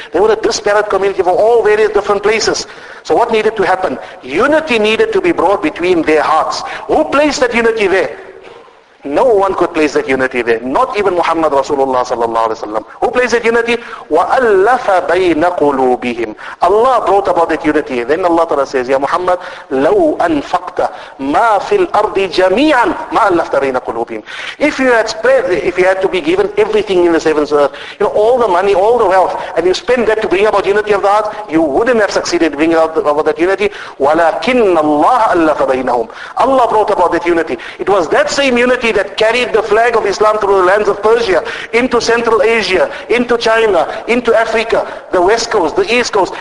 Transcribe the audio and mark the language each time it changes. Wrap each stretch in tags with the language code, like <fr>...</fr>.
<en>They were a disparate community from all various different places. So what needed to happen? Unity needed to be brought between their hearts. Who placed that unity there? No one could place that unity there. Not even Muhammad Rasulullah sallallahu alaihi wasallam. Who placed that unity?</en> <ar>وَأَلَّفَ بَيْنَ قُلُوبِهِمْ.</ar> <en>Allah brought about that unity. Then Allah Ta'ala says, Ya Muhammad,</en> <ar>لَوْ أَنْفَقْتَ مَا فِي الْأَرْضِ جَمِيعًا مَا أَلَّفْتَ بَيْنَ قُلُوبِهِمْ.</ar> <en>If you had spread, if you had to be given everything in the seven earth, you know, all the money, all the wealth, and you spend that to bring about unity of the heart, you wouldn't have succeeded bringing about that unity.</en> <ar>وَلَكِنَّ اللَّهَ أَلَّفَ بَيْنَهُمْ.</ar> <en>Allah brought about that unity. It was that same unity that carried the flag of Islam through the lands of Persia, into Central Asia, into China, into Africa, the West Coast, the East Coast.</en>